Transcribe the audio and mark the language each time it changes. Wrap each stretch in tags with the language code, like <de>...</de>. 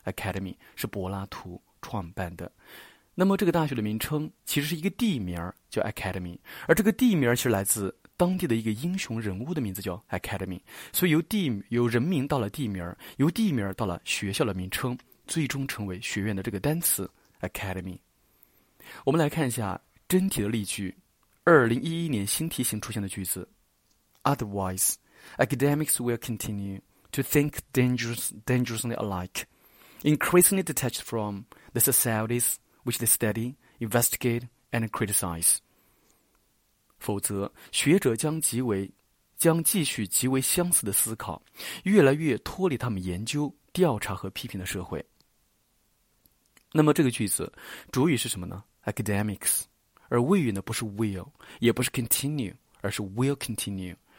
<zh>academy 是柏拉图创办的。那么这个大学的名称其实是一个地名叫 academy， 而这个地名其实来自当地的一个英雄人物的名字叫 Academy， 所以由人名到了地名，由地名到了学校的名称，最终成为学院的这个单词 Academy。我们来看一下真题的例句。 2011年新题型出现的句子</zh> <en>Otherwise academics will continue to think dangerously alike, increasingly detached from the societies which they study, investigate and criticize。</en> <zh>否则学者将继续极为相似的思考，越来越脱离他们研究调查和批评的社会。那么这个句子主语是什么呢？ academics， 而谓语呢不是 will 也不是 continue， 而是 will continue。</zh>